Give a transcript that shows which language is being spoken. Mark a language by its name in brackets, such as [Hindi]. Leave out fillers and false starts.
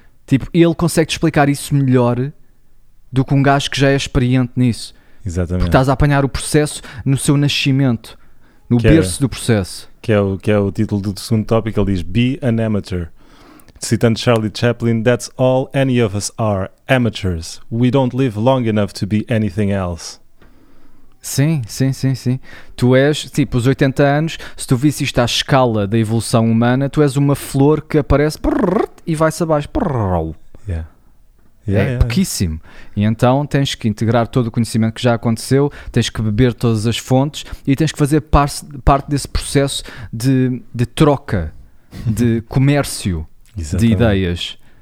[Portuguese] Tipo, ele consegue-te explicar isso melhor do que um gajo que já é experiente nisso. Exatamente. Porque estás a apanhar o processo no seu nascimento, no berço do processo. Que é o título do segundo tópico, ele diz, [English] Be an amateur. [Portuguese] Citando Charlie Chaplin, [English] That's all any of us are, amateurs. We don't live long enough to be anything else. [Portuguese] Sim. Tu és, tipo, os 80 anos, se tu visse isto à escala da evolução humana, tu és uma flor que aparece e vai-se abaixo. É pouquíssimo. E então tens que integrar todo o conhecimento que já aconteceu, tens que beber todas as fontes e tens que fazer parte desse processo de troca, de comércio de ideias.